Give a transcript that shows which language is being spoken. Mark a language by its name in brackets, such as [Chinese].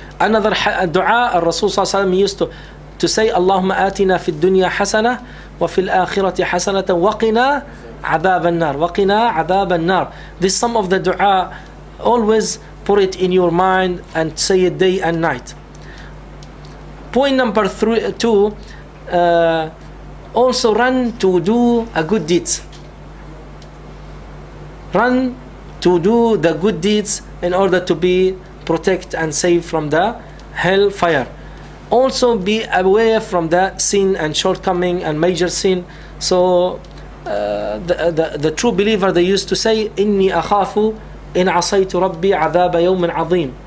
[Arabic] Another dua, Rasul صلى الله عليه وسلم used to say, اللهم آتنا في الدنيا حسنة وفي الآخرة حسنة وقنا عذاب النار, وقنا عذاب النار. [English] This some of the dua, always put it in your mind and say it day and night. Point number two, also run to do a good deed. Run to do the good deeds in order to be protect and save from the hellfire. Also be aware from the sin and shortcoming and major sin. So the true believer, they used to say, إني أخاف إن عصيت ربي عذاب يوم عظيم.